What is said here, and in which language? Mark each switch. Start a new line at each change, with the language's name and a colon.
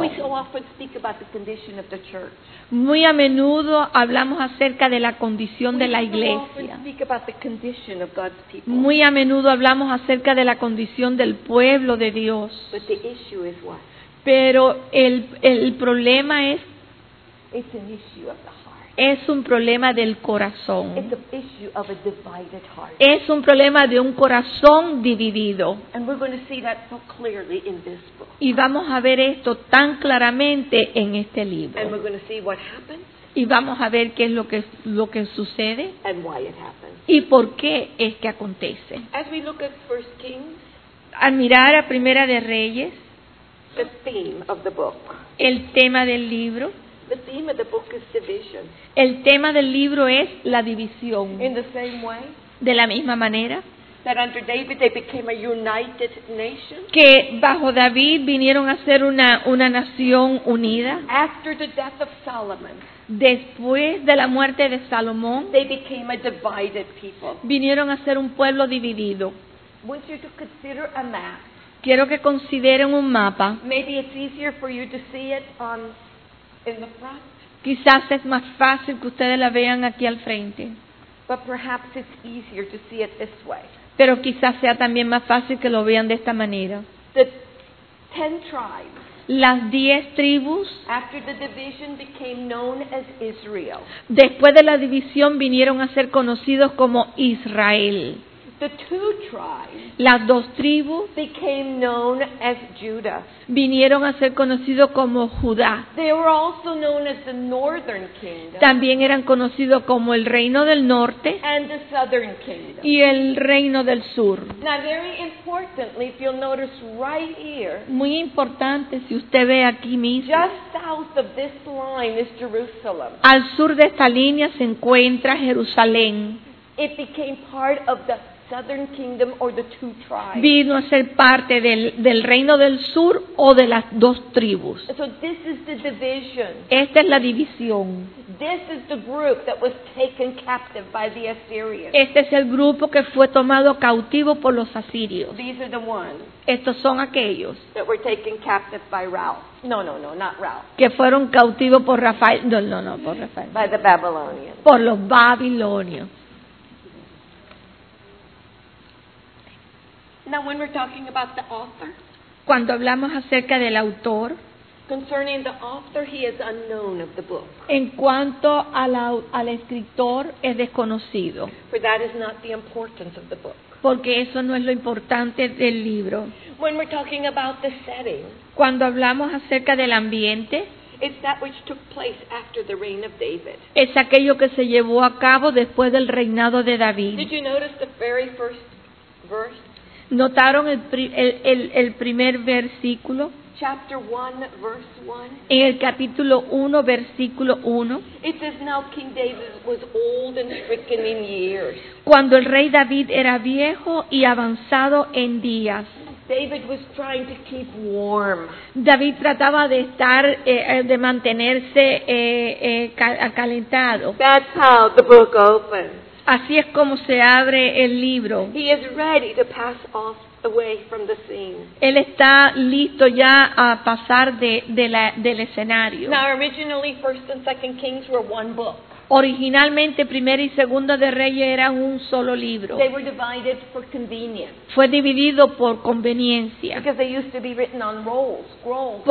English: We so often speak about the condition of the church.
Spanish: Muy a menudo hablamos acerca de la condición de la iglesia.
English: We so often speak about the condition of God's people.
Spanish: Muy a menudo hablamos acerca de la condición del pueblo de Dios.
English: But the issue is what?
Spanish: Pero el problema es,
English: it's an issue of the heart.
Spanish: Es un problema del corazón.
English: It's an issue of a divided heart.
Spanish: Es un problema de un corazón dividido.
English: And we're going to see that so clearly in this book.
Spanish: Y vamos a ver esto tan claramente en este libro.
English: And we're going to see what happens.
Spanish: Y vamos a ver qué es lo que sucede.
English: And why it happens.
Spanish: Y por qué es que acontece.
English: As we look at First Kings,
Spanish: al mirar a Primera de Reyes,
English: the theme of the book.
Spanish: El tema del libro.
English: The theme of the book is division.
Spanish: El tema del libro es la división.
English: In the same way,
Spanish: de la misma manera,
English: that under David they became a united nation,
Spanish: que bajo David vinieron a ser una nación unida.
English: After the death of Solomon,
Spanish: después de la muerte de Salomón,
English: they became a divided people.
Spanish: Vinieron a ser un pueblo dividido.
English: I want you to consider a map.
Spanish: Quiero que consideren un mapa.
English: Maybe it's easier for you to see it on. In the front.
Spanish: Quizás es más fácil que ustedes la vean aquí al frente.
English: But perhaps it's easier to see it this way.
Spanish: Pero quizás sea también más fácil que lo vean de esta manera.
English: The 10 tribes.
Spanish: Las 10 tribus.
English: After the division became known as Israel.
Spanish: Después de la división vinieron a ser conocidos como Israel.
English: The 2 tribes.
Spanish: Las 2 tribus
English: became known as Judah.
Spanish: Vinieron a ser conocidos como Judá.
English: They were also known as the Northern Kingdom.
Spanish: También eran conocidos como el Reino del Norte.
English: And the Southern Kingdom.
Spanish: Y el Reino del Sur.
English: Now, very importantly, if you'll notice right here.
Spanish: Muy importante si usted ve aquí mismo.
English: Just south of this line is Jerusalem.
Spanish: Al sur de esta línea se encuentra Jerusalén.
English: It became part of the Southern Kingdom or the 2 tribes.
Spanish: Vino a ser parte del Reino del Sur o de las 2 tribus.
English: So this is the division.
Spanish: Esta es la división.
English: This is the group that was taken captive by the Assyrians.
Spanish: Este es el grupo que fue tomado cautivo por los asirios.
English: These are the ones.
Spanish: Estos son aquellos.
English: That were taken captive by Ralph. No, not Ralph.
Spanish: Que fueron cautivos por Rafael. No, por Rafael.
English: By the Babylonians.
Spanish: Por los babilonios.
English: Now, when we're talking about the author.
Spanish: Cuando hablamos acerca del autor.
English: Concerning the author, he is unknown of the book.
Spanish: En cuanto al escritor, es desconocido.
English: For that is not the importance of the book.
Spanish: Porque eso no es lo importante del libro.
English: When we're talking about the setting.
Spanish: Cuando hablamos acerca del ambiente.
English: It's that which took place after the reign of David.
Spanish: Es aquello que se llevó a cabo después del reinado de David.
English: Did you notice the very first verse?
Spanish: ¿Notaron el primer versículo?
English: Chapter 1, verse 1.
Spanish: En el capítulo 1, versículo 1.
English: It says, now King David was old and stricken in years.
Spanish: Cuando el rey David era viejo y avanzado en días.
English: David was trying to keep warm.
Spanish: David trataba de estar, de mantenerse acalentado.
English: That's how the book opens.
Spanish: Así es como se abre el libro.
English: He is ready to pass off away from the scene.
Spanish: Él está listo ya a pasar del escenario.
English: Now, originally, First and Second Kings were one book.
Spanish: Originalmente, Primera y Segunda de Reyes eran un solo libro.
English: They were divided for convenience.
Spanish: Fue dividido por conveniencia.
English: Because they used to be written on rolls, scrolls.